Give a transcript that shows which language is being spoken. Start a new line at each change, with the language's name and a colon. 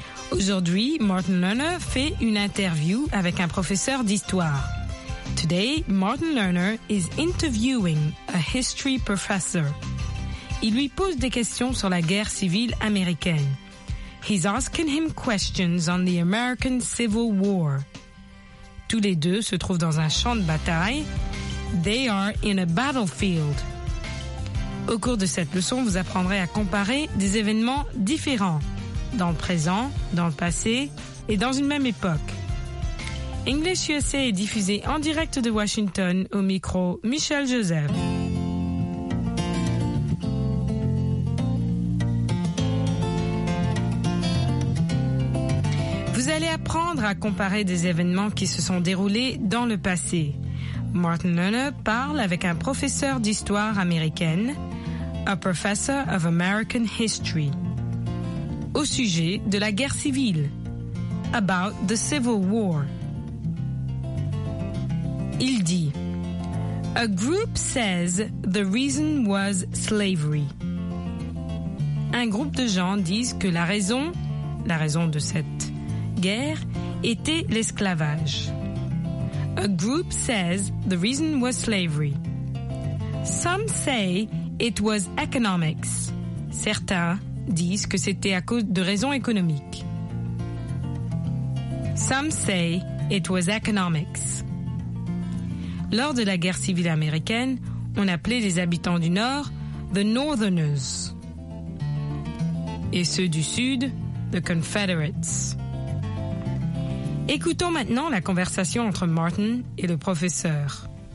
French: Aujourd'hui, Martin Lerner fait une interview avec un professeur d'histoire.
English: Today, Martin Lerner is interviewing a history professor.
French: Il lui pose des questions sur la guerre civile américaine.
English: He's asking him questions on the American Civil War.
French: Tous les deux se trouvent dans un champ de bataille.
English: They are in a battlefield.
French: Au cours de cette leçon, vous apprendrez à comparer des événements différents. Dans le présent, dans le passé et dans une même époque. English USA est diffusé en direct de Washington au micro Michel Joseph. Vous allez apprendre à comparer des événements qui se sont déroulés dans le passé. Martin Lerner parle avec un professeur d'histoire américaine, a professor of American history. Au sujet de la guerre civile.
English: About the Civil War. Il dit, a group says the reason was slavery.
French: Un groupe de gens disent que la raison de cette guerre était l'esclavage.
English: A group says the reason was slavery. Some say it was economics.
French: Certains disent que c'était à cause de raisons économiques.
English: Some say it was economics.
French: Lors de la guerre civile américaine, on appelait les habitants du Nord the Northerners et ceux du Sud the Confederates. Écoutons maintenant la conversation entre Martin et le professeur.